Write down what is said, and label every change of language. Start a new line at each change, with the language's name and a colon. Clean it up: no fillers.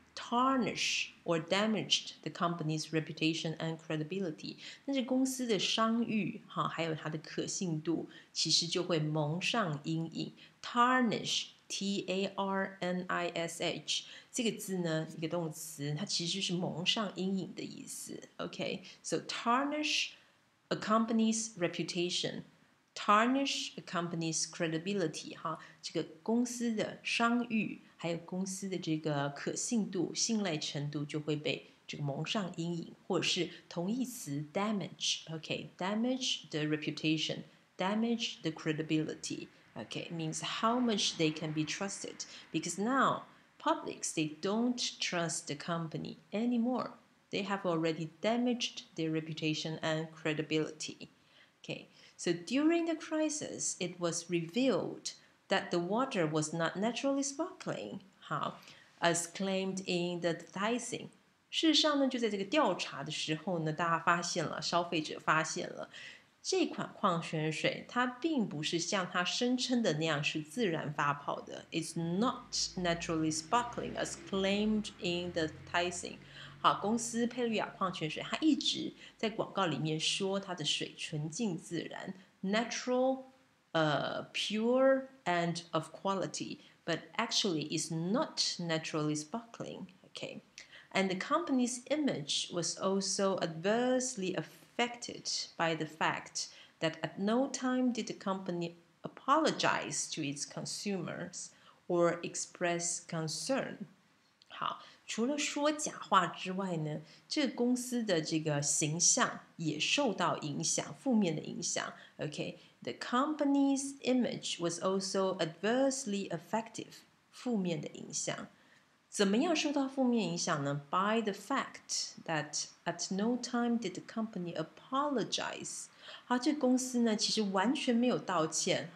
English: Tarnish or damaged the company's reputation and credibility.
Chinese: 那这公司的商誉，哈，还有它的可信度，其实就会蒙上阴影。 Tarnish, T-A-R-N-I-S-H， 这个字呢，一个动词，它其实就是蒙上阴影的意思。
English: Okay, so tarnish a company's reputation, tarnish a company's credibility.
Chinese: 哈，这个公司的商誉。还有公司的这个可信度、信赖程度就会被这个蒙上阴影，或者是同义词
English: damage， OK， damage the reputation， damage the credibility， OK， means how much they can be trusted， because now publics they don't trust the company anymore， they have already damaged their reputation and credibility， OK， so during the crisis it was revealed. That the water was not naturally sparkling, huh? as claimed in the advertising.
Chinese: 事实上呢，就在这个调查的时候呢，大家发现了，消费者发现了，这款矿泉水它并不是像它声称的那样是自然发泡的。
English: It's not naturally sparkling as claimed in the advertising.
Chinese: 好，公司佩律亚矿泉水，它一直在广告里面说它的水纯净自然 ，natural.
English: Pure and of quality, but actually is not naturally sparkling. Okay, and the company's image was also adversely affected by the fact that at no time did the company apologize to its consumers or express concern.
Chinese: 好，除了说假话之外呢，这个公司的这个形象也受到影响，负面的影响。
English: Okay. The company's image was also adversely affected,
Chinese: 负面的影响。怎么样受到负面影响呢？
English: By the fact that at no time did the company apologize.
Chinese: 好，这公司呢，其实完全没有道歉。